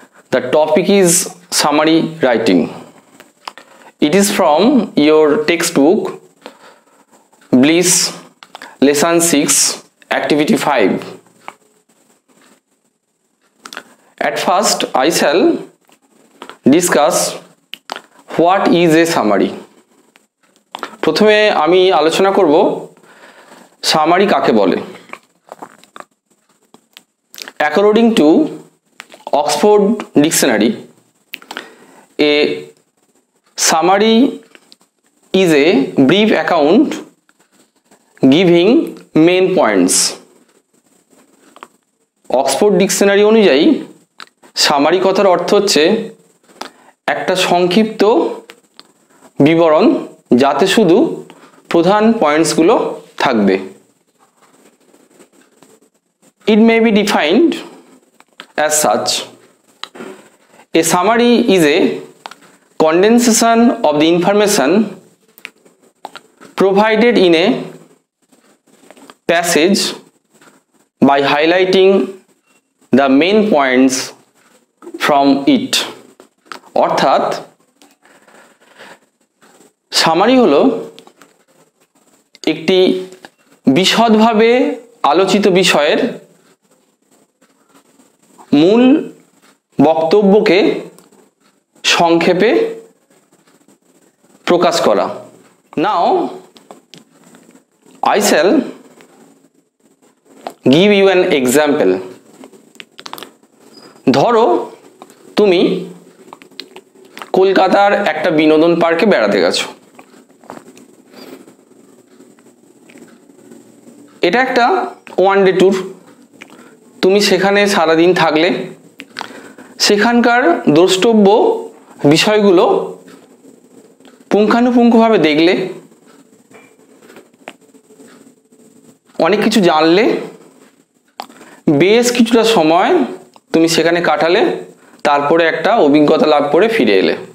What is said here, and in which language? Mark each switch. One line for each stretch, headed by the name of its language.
English: The topic is summary writing. It is from your textbook B.SC lesson 6 activity 5. At first I shall discuss what is a summary.
Bangla: প্রথমে আমি আলোচনা করব summary কাকে বলে।
English: According to Oxford Dictionary, a summary is a brief account giving main points.
Bangla: Oxford Dictionary অনুযায়ী summary কথার অর্থ হচ্ছে একটা সংক্ষিপ্ত বিবরণ যাতে শুধু প্রধান পয়েন্টস গুলো থাকবে।
English: It may be defined as such. A summary is a condensation of the information provided in a passage by highlighting the main points from it.
Bangla: অর্থাৎ সামারি হলো একটি বিশদভাবে আলোচিত বিষয়ের মূল বক্তব্যকে সংক্ষেপে প্রকাশ করা।
English: Now I shall give you an example.
Bangla: ধরো তুমি কলকাতার একটা বিনোদন পার্কে বেড়াতে গেছো। এটা একটা ওয়ান ডে ট্যুর, তুমি সেখানে সারাদিন থাকলে, সেখানকার দ্রষ্টব্য বিষয়গুলো পুঙ্খানুপুঙ্খভাবে দেখলে, অনেক কিছু জানলে, বেশ কিছুটা সময় তুমি সেখানে কাটালে, তারপরে একটা অভিজ্ঞতা লাভ করে ফিরে এলে।